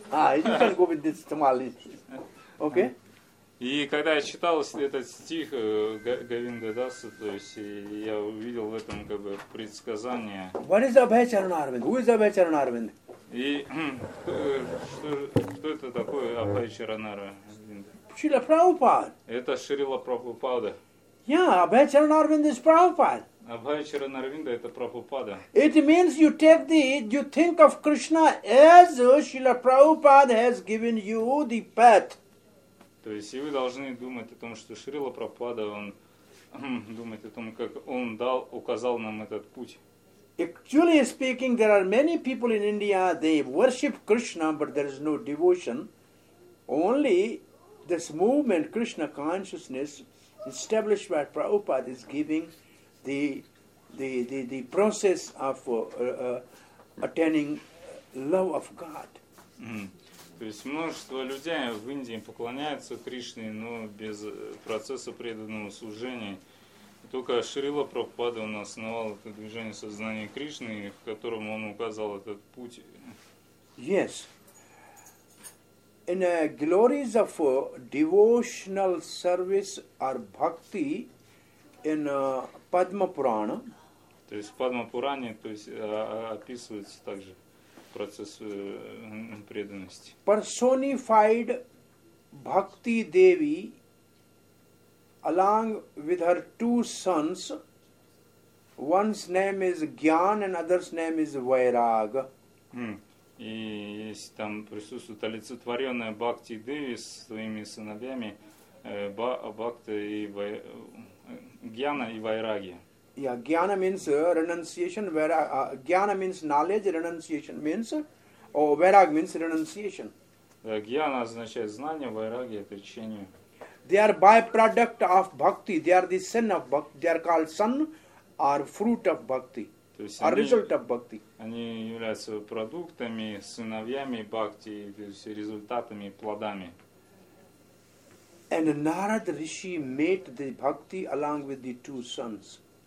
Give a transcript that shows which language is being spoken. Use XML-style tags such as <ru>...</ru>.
<en>You can go with this tamale. Okay.</en> <ru>И когда я читал этот стих Говинда Даса, то есть я увидел в этом как бы предсказание.</ru> <en>What is Abhay Charanaravind? Who is Abhay Charanaravind?</en> <ru>И что это такое Абхай Чаранаравинд? Шрила Прабхупада. Это Шрила Прабхупада.</ru> <en>Yeah, Abhay Charanaravind is Prabhupada.</en> <ru>Абхай Чаранаравинда это Прабхупада.</ru> <en>It means you take the, you think of Krishna as Шрила Прабхупада has given you the path.</en> <ru>То есть, и вы должны думать о том, что Шрила Прабхупада, он думает о том, как он дал, указал нам этот путь.</ru> <en>Actually speaking, there are many people in India, they worship Krishna, but there is no devotion. Only this movement, Krishna consciousness, established by Prabhupada, is giving the process of attaining love of God. Mm.</en> <ru>То есть множество людей в Индии поклоняются Кришне, но без процесса преданного служения. И только Шрила Прабхупада у нас основал это движение сознания Кришны, в котором он указал этот путь.</ru> <en>Yes. In the glories of devotional service or bhakti in Padma Purana.</en> <ru>То есть в Падма Пуране, то есть описывается также процесс преданности.</ru> <en>Personified Bhakti Devi along with her two sons, one's name is Gyan and other's name is Vairag.</en> <ru>И если там присутствует олицетворенная Бхакти Деви с своими сыновьями, Бхакта и Гьяна и Вайраги.</ru> <en>Yeah, Gyana means renunciation, Vairag, Gyana means knowledge, renunciation means, or Vairag means renunciation.</en> <ru>Gyana означает знание, Vairagi – это лечение.</ru> <en>They are byproduct of bhakti, they are the son of bhakti, they are called son or fruit of bhakti, or result of bhakti.</en> <ru>Они являются продуктами, сыновьями бхакти, то есть результатами, плодами.</ru> <en>And Narada Rishi made the bhakti along with the two sons.</en>